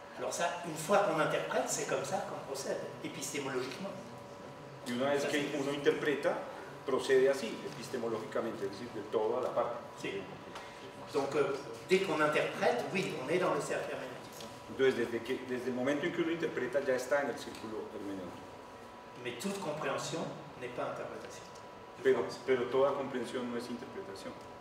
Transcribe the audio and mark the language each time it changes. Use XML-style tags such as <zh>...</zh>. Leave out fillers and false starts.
<fr>Alors, ça, une fois qu'on interprète, c'est comme ça qu'on procède, épistémologiquement. Et une fois qu'on interprète, procède ainsi, épistémologiquement, c'est-à-dire de tout à la partie.</fr> <es>Sí.</es> <fr>Donc, dès qu'on interprète, oui, on est dans le cercle hermeneutique.</fr> <es>Donc, desde el momento en que uno interpreta, ya está en el círculo hermenéutico.</es> <fr>Mais toute compréhension n'est pas interprétation.</fr> <es>Pero toda comprensión no es interpretación.</es>